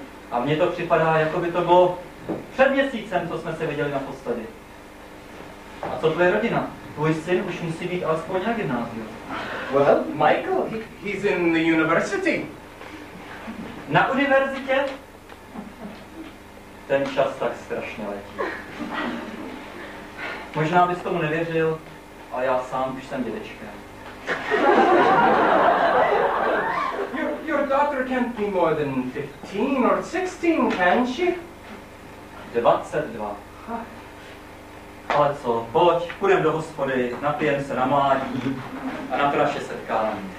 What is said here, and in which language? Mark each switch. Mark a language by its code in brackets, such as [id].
[cs] A mně to připadá, jako by to bylo před měsícem, co jsme se viděli na posledy. A co tvoje rodina? Tvoj syn už musí být alespoň na gymnáziu. [en] Well, Michael, he's in the university. [cs] Na univerzitě? Ten čas tak strašně letí. Možná bys tomu nevěřil, a já sám už jsem dědečkem. [en] Your daughter can't be more than 15 or 16, can she? [cs] 22. Ale co, pojď, půjdeme do hospody, napijeme se na mládí a na praše setkáme.